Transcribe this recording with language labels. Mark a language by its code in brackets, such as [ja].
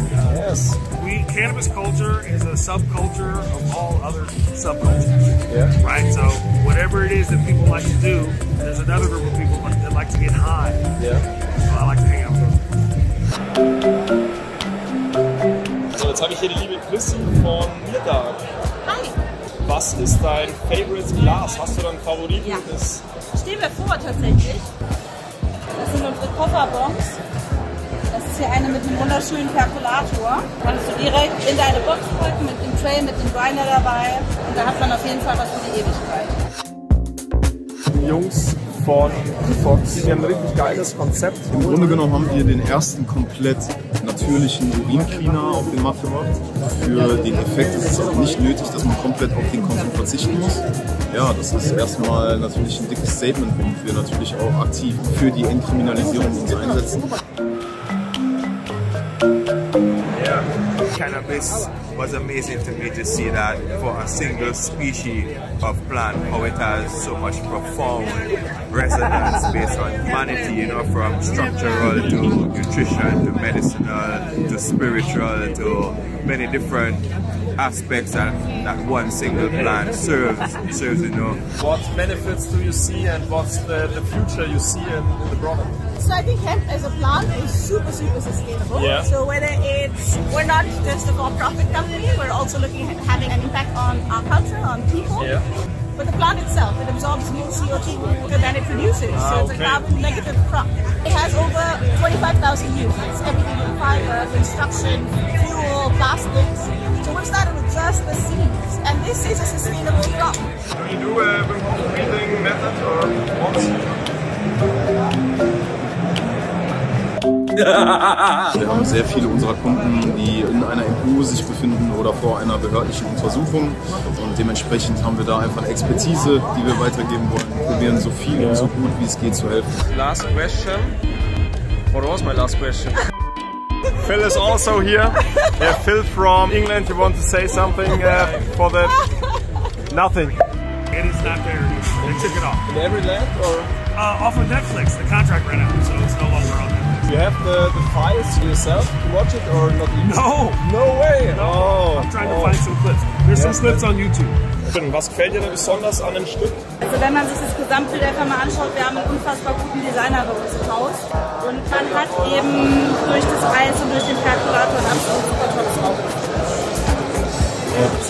[en] Yes. Cannabis culture is a subculture of all other subcultures. Yeah. Right? So whatever it is that people like to do, there's another group of people that like to get high. Yeah. So I like to hang out with them. [de] So jetzt habe ich hier die liebe Chrissy von mir da. Hi. Was ist dein [en] favorite glass? [de] Hast du da ein Favoriten? Ja. Das stehen wir vor tatsächlich. Das sind unsere Kofferbombs. Das ist hier eine mit einem wunderschönen Percolator. Kannst du direkt in deine Box packen mit dem Tray, mit dem Grinder dabei. Und da hat man auf jeden Fall was für die Ewigkeit. Jungs. Von Fox. Wir haben ein richtig geiles Konzept. Im Grunde genommen haben wir den ersten komplett natürlichen Urin-Cleaner auf den Markt gemacht. Für den Effekt ist es auch nicht nötig, dass man komplett auf den Konsum verzichten muss. Ja, das ist erstmal natürlich ein dickes Statement, womit wir natürlich auch aktiv für die Entkriminalisierung uns einsetzen. [en] Cannabis was amazing to me to see that for a single species of plant, how it has so much profound resonance based on humanity, you know, from structural to nutrition to medicinal to spiritual to many different aspects that one single plant serves, you know. What benefits do you see, and what's the future you see in the broader? So I think hemp as a plant is super, super sustainable. Yeah. So we're not just a for-profit company, we're also looking at having an impact on our culture, on people. Yeah. But the plant itself, it absorbs more CO2 than it produces. Ah, so it's okay. A carbon negative crop. It has over 25,000 uses. Everything from fiber, construction, fuel, plastics. So we're starting with just the seeds. And this is a sustainable crop. Do you do a remote breathing method or what? [de] Wir haben sehr viele unserer Kunden, die in einer MPU sich befinden oder vor einer behördlichen Untersuchung. Und dementsprechend haben wir da einfach Expertise, die wir weitergeben wollen. Wir probieren so viel und so gut, wie es geht, zu helfen. [en] Last question. What was my last question? Phil is also here. Yeah, Phil from England, you want to say something for the... Nothing. It is not there. They took it off. In every land or...? Off of Netflix. The contract ran out, so it's no longer on. Do you have the files yourself to watch it or not? Even? No! No way! No! I'm trying to find some clips. There's some clips on YouTube. [de] Was gefällt dir denn besonders an dem Stück? Also wenn man sich das Gesamtbild einfach mal anschaut, wir haben einen unfassbar guten Designer bei uns im Haus. Und man hat eben durch das Eis und durch den Perforator einen absolut super tolles Rauchen.